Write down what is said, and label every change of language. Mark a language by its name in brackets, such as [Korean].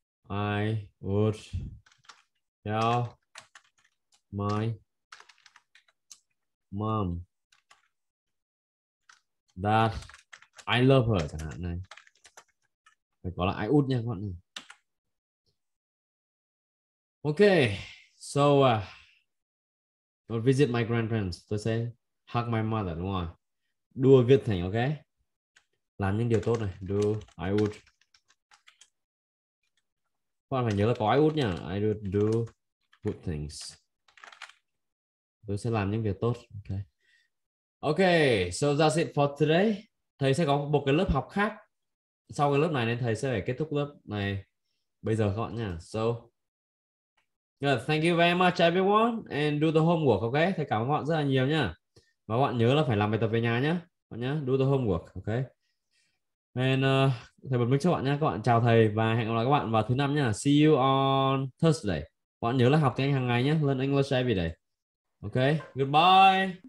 [English] I would tell my mom that I love her, [Vietnamese] chẳng hạn này. Phải có là [English] I would [Vietnamese] nha các bạn. [English] Ok. So I'll visit my grandparents. [Vietnamese] Tôi sẽ [English] hug my mother, [Vietnamese] đúng không? [English] Do a good thing, ok? [Vietnamese] Làm những điều tốt này. [English] Do, I would. [Vietnamese] Các bạn phải nhớ là có I would nha. [English] I would do good things. [Vietnamese] Tôi sẽ làm những việc tốt, ok? [English] Ok, so that's it for today. [Vietnamese] Thầy sẽ có một cái lớp học khác sau cái lớp này nên thầy sẽ phải kết thúc lớp này bây giờ các bạn nha. [English] So good. Thank you very much everyone and do the homework, ok? [Vietnamese] Thầy cảm ơn các bạn rất là nhiều nhá. Và các bạn nhớ là phải làm bài tập về nhà nhá. Các bạn nhá, [English] do the homework, ok? [Vietnamese] And thầy bật mic cho các bạn nha. Các bạn chào thầy và hẹn gặp lại các bạn vào thứ năm nha. [English] See you on Thursday. [Vietnamese] Các bạn nhớ là học tiếng Anh hàng ngày nhé. [English] Learn English every day. Ok, goodbye.